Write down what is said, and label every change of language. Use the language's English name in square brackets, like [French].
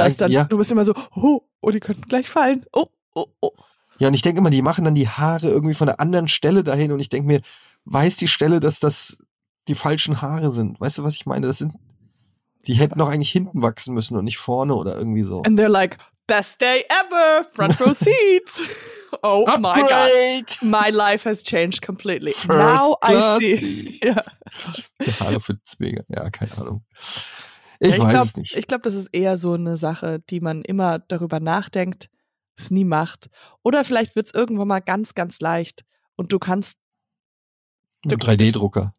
[German] anders, dann, du bist immer so, oh, die könnten gleich fallen. Ja, und ich denke immer, die machen dann die Haare irgendwie von einer anderen Stelle dahin und ich denke mir, weiß die Stelle, dass das die falschen Haare sind? Weißt du, was ich meine? Die hätten doch eigentlich hinten wachsen müssen und nicht vorne oder irgendwie so. [English] And they're like, best day ever, front row seats. Oh Upgrade. My God. My life has changed completely. First now I see. [German] Die Haare für Zwinger, ja, keine Ahnung. Ich weiß es nicht. Ich glaube, das ist eher so eine Sache, die man immer darüber nachdenkt, es nie macht. Oder vielleicht wird es irgendwann mal ganz, ganz leicht und du kannst... Ein 3D-Drucker.